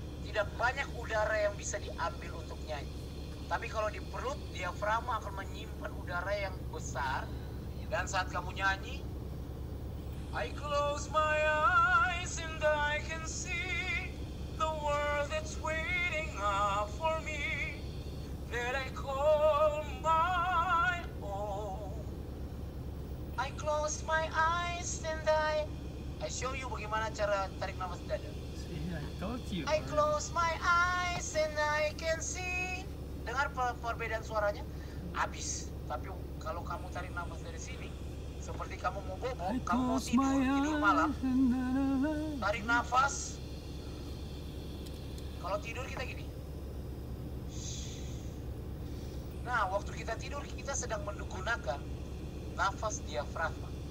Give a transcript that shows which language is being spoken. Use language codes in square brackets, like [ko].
[id] Tidak banyak udara yang bisa diambil untuk nyanyi. Tapi kalau di perut, diafragma akan menyimpan udara yang besar. Dan saat kamu nyanyi, [en] I close my eyes and I can see the world that's waiting up for me that I call my home. I close my eyes and I show you [id] bagaimana cara tarik nafas dada. [en] See, I told you. I close my eyes and I can see. [id] Dengar perbedaan suaranya, habis. Tapi kalau kamu tarik nafas dari sini, seperti kamu mau bobo, kamu mau tidur malam, tarik nafas. Kalau tidur kita gini. Nah, waktu kita tidur, kita sedang menggunakan nafas diafragma.